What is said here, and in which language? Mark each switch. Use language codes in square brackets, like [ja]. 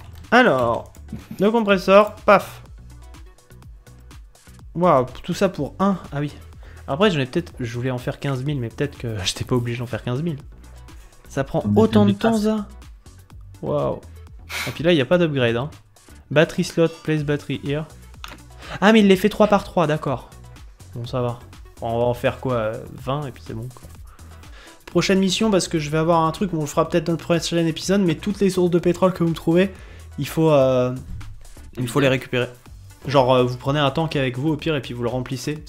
[fr] Alors... le compresseur, paf. Waouh, tout ça pour 1. Ah oui. Après, j'en ai peut-être. Je voulais en faire 15 000, mais peut-être que j'étais pas obligé d'en faire 15 000. Ça prend autant de temps, ça. Waouh. Et puis là, il n'y a pas d'upgrade. Hein. [en] Battery slot, place battery here. [fr] Ah, mais il les fait 3 par 3, d'accord. Bon, ça va. On va en faire quoi, 20, et puis c'est bon, quoi. Prochaine mission, parce que je vais avoir un truc, on le fera peut-être dans le prochain épisode, mais toutes les sources de pétrole que vous me trouvez. Il faut les récupérer. Genre, vous prenez un tank avec vous au pire et puis vous le remplissez.